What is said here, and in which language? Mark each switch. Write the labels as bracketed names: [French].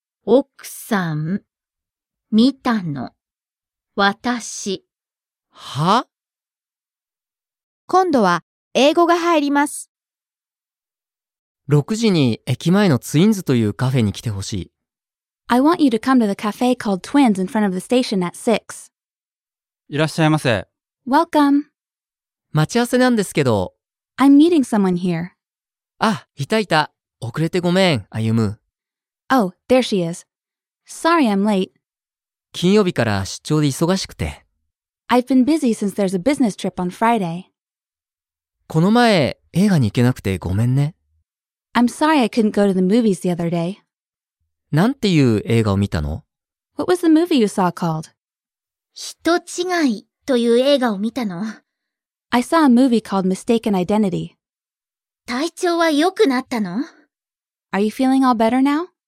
[Japanese] 奥さん？見たの？私。は？今度は英語が入ります。 6時に駅前のツインズというカフェに来てほしい。 [English] I want you to come to the cafe called Twins in front of the station at 6. [Japanese] いらっしゃいませ。 [English] Welcome. [Japanese] 待ち合わせなんですけど。 [English] I'm meeting someone here. [Japanese] あ、いたいた。遅れてごめん、歩。 [English] Oh, there she is. Sorry I'm late. [Japanese] 金曜日から出張で忙しくて。 [English] I've been busy since there's a business trip on Friday. [Japanese] この前映画に行けなくてごめんね。 [English] I'm sorry I couldn't go to the movies the other day. [Japanese] なんていう映画を見たの？ [English] What was the movie you saw called? [Japanese] 人違いという映画を見たの。 [English] I saw a movie called Mistaken Identity. [Japanese] 体調は良くなったの？ [English] Are you feeling all better now?